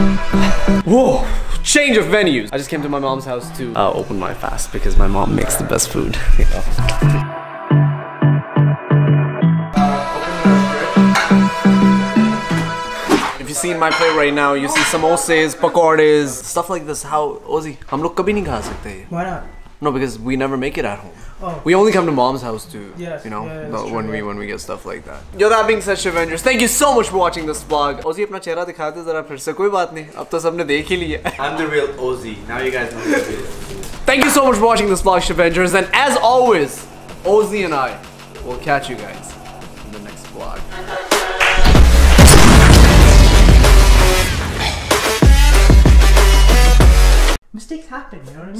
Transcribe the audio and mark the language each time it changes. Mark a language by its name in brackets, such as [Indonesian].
[English] Whoa, change of venues. I just came to my mom's house to open my fast because my mom makes the best food. If you see my plate right now, you see samosas, pakoras, stuff like this. [Hindi] How, Ozzy, हम लोग कभी नहीं खा सकते। [English] Why not? No, because we never make it at home. We only come to mom's house too. Yes, you know, yeah, but true, when yeah. when we get stuff like that. Yo, that being said, Shivengers, thank you so much for watching this vlog. [Hindi] Ozzy, अपना चेहरा दिखाते है ज़रा फिर से। कोई बात नहीं। अब तो सबने देख ही लिया। [English] I'm the real Ozzy. Now you guys know who I am. Thank you so much for watching this vlog, Shivengers. And as always, Ozzy and I will catch you guys in the next vlog. Mistakes happen, you know what I mean?